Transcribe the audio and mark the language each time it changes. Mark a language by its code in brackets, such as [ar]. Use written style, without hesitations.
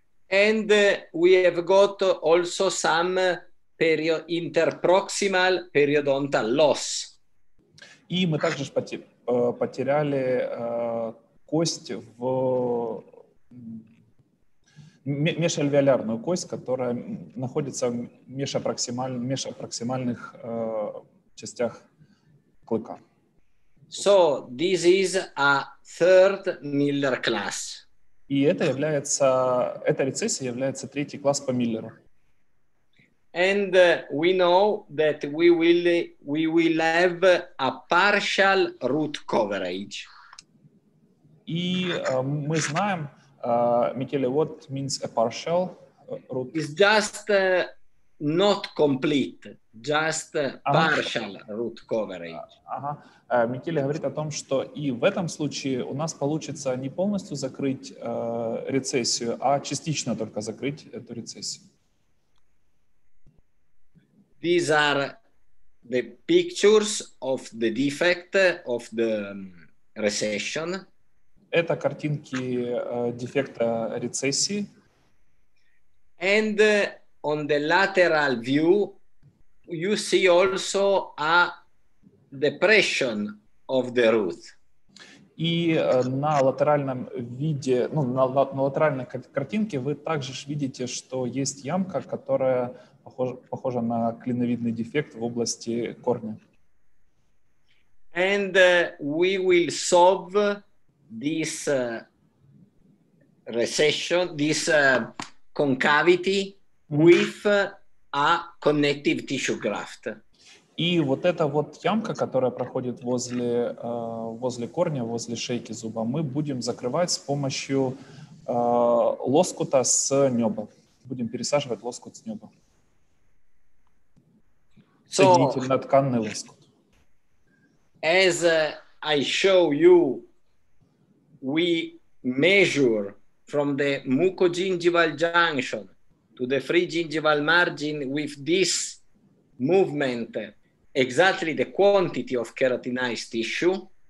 [en] And we have got also some interproximal periodontal loss. [ru] И мы также потеряли кость в межальвеолярную кость, которая находится в межапроксимальных частях клыка. [en] So this is a third Miller class. [ru] И эта рецессия является третий класс по Миллеру. [en] And we know that we will have a partial root coverage. [ru] И мы знаем, [en] Микеле, what means a partial root? It's just not complete, just partial root coverage. [ru] Микеле говорит о том, что и в этом случае у нас получится не полностью закрыть рецессию, а частично только закрыть эту рецессию. [en] These are the pictures of the defect of the recession. [ru] Это картинки дефекта рецессии. [en] And on the lateral view, you see also a depression of the root. [ru] И на латеральном виде, на латеральной картинке вы также видите, что есть ямка, которая похожа на клиновидный дефект в области корня. [en] And we will solve this recession, this concavity with a connective tissue graft. [ru] И вот эта вот ямка, которая проходит возле корня, возле шейки зуба, мы будем закрывать с помощью лоскута с неба. Будем пересаживать лоскут с неба. Соединительно-тканный лоскут. [en] As I show you, we measure from the mucogingival junction to the free gingival margin with this movement exactly the quantity of keratinized tissue.